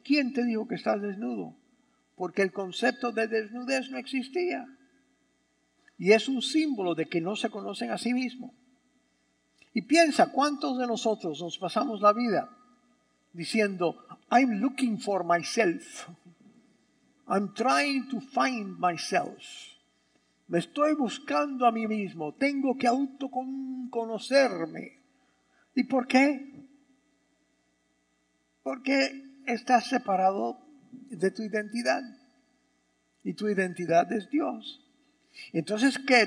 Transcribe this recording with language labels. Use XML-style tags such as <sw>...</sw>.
<es>¿Quién te dijo que estás desnudo? Porque el concepto de desnudez no existía. Y es un símbolo de que no se conocen a sí mismos. Y piensa, ¿cuántos de nosotros nos pasamos la vida diciendo,</es> <en>I'm looking for myself. I'm trying to find myself.</en> <es>Me estoy buscando a mí mismo. Tengo que autoconocerme. ¿Y por qué? Porque estás separado de tu identidad. Y tu identidad es Dios. Entonces, ¿qué?</es>